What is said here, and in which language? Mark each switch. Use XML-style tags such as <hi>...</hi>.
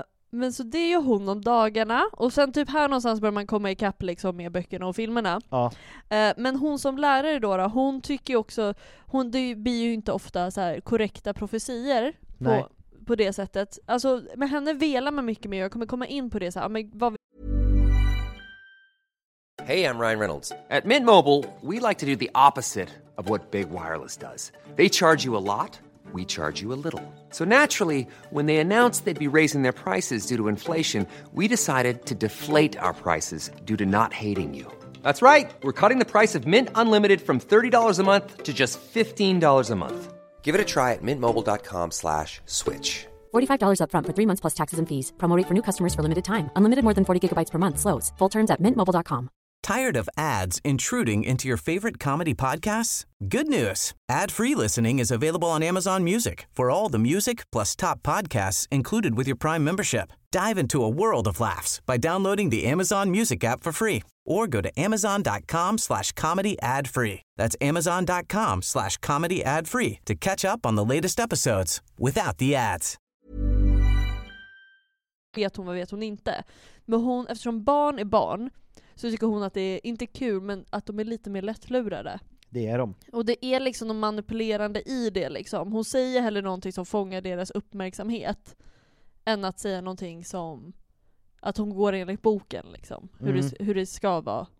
<sv>Men så det är ju hon om dagarna. Och sen typ här någonstans börjar man komma i kapp liksom med böckerna och filmerna. Ja. Men hon som lärare då, hon tycker ju också, hon, det blir ju inte ofta så här korrekta profetier. Nej. På det sättet. Alltså, med henne velar man mycket mer. Jag kommer komma in på det så här. Men vad</sv> <en>Hey, I'm Ryan Reynolds. At Mint Mobile, we like to do the opposite of what Big Wireless does. They charge you a lot, we charge you a little. So naturally, when they announced they'd be raising their prices due to inflation, we decided to deflate our prices due to not hating you. That's right. We're cutting the price of Mint Unlimited from $30 a month to just $15 a month. Give it a try at mintmobile.com/switch. $45 up front for 3 months plus taxes and fees. Promo rate for new customers for limited time. Unlimited more than 40 gigabytes per month slows. Full terms at mintmobile.com. Tired of ads intruding into your favorite comedy podcasts? Good news! Ad-free listening is available on Amazon Music for all the music plus top podcasts included with your Prime membership. Dive into a world of laughs by downloading the Amazon Music app for free or go to amazon.com/comedyadfree. That's amazon.com/comedyadfree to catch up on the latest episodes without the ads.</en> <sv>Vet hon, vad vet hon inte? Men hon, eftersom barn är barn, så tycker hon att det är inte kul, men att de är lite mer lättlurade. Det är de. Och det är liksom de manipulerande i det liksom. Hon säger heller någonting som fångar deras uppmärksamhet än att säga någonting som att hon går enligt boken liksom. Hur det ska vara.</sv>